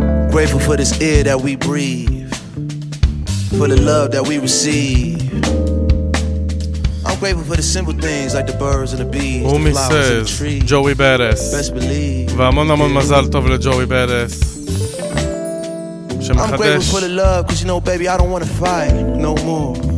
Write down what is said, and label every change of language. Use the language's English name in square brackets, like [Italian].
[English] Grateful for this air that we breathe, for the love that we receive. I'm grateful for the simple things like the birds and the bees, the flowers and the trees. Joey Badass. Best believe. [Hebrew] והמון המון מזל טוב לג'וי ברס. [English] I'm grateful for the love, because you know, baby, I don't want to fight no more.